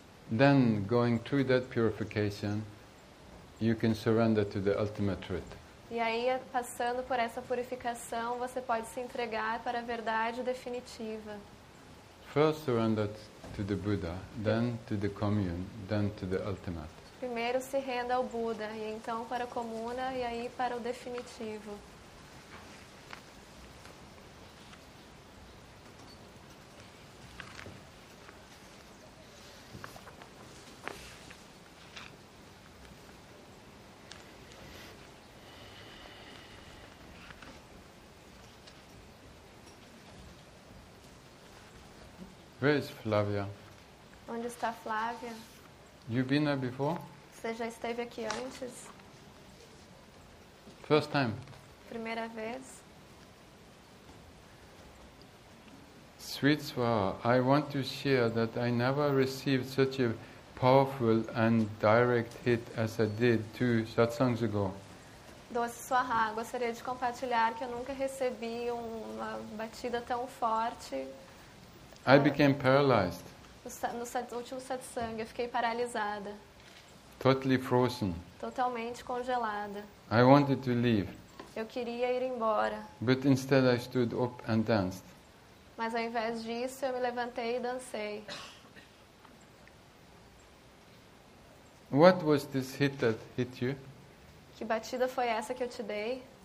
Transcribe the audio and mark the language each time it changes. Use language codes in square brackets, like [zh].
[en] Then going through that purification, you can surrender to the ultimate truth. [pt] E aí, passando por essa purificação, você pode se entregar para a verdade definitiva. [en] First surrender to the Buddha, then to the commune, then to the ultimate. [pt] Primeiro se renda ao Buda, e então para a comuna, e aí para o definitivo. [en] Where is Flavia? [pt] Onde está Flavia? [en] You've been there before? [pt] Você já esteve aqui antes? [en] First time. [pt] Primeira vez. [en] Sweet Swara, I want to share that I never received such a powerful and direct hit as I did two satsangs ago. [pt] Doce Swara, gostaria de compartilhar que eu nunca recebi uma batida tão forte. [en] I became paralyzed. [pt] No último satsang, eu fiquei paralisada. [en] Totally frozen. [pt] Totalmente congelada. [en] I wanted to leave. [pt] Eu queria ir embora. [en] But instead I stood up and danced. [pt] Mas ao invés disso, eu me levantei e dancei. [en] What was this hit that hit you? [pt] Que batida foi essa que eu te dei?